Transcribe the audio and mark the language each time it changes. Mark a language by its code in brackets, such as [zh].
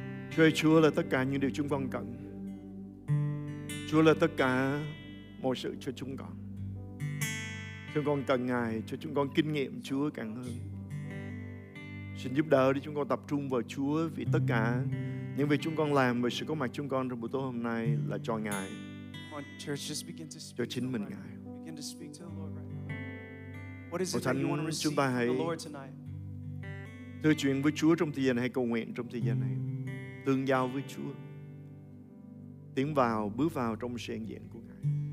[vi] Chúa ơi, Chúa là tất cả những điều chúng con cần. Chúa là tất cả mọi sự cho chúng con. Chúng con cần Ngài cho chúng con kinh nghiệm Chúa càng hơn. Xin giúp đỡ để chúng con tập trung vào Chúa vì tất cả những việc chúng con làm và sự có mặt chúng con trong buổi tối hôm nay là cho Ngài. [en] Church, just begin to speak [vi] cho chính mình Ngài. [en] Begin to speak to the Lord right now. What is it that you want to receive the Lord tonight? [vi] Thưa chuyện với Chúa trong thời gian này, cầu nguyện trong thời gian này, tương giao với Chúa, tiến vào, bước vào trong sự hiện diện của Ngài.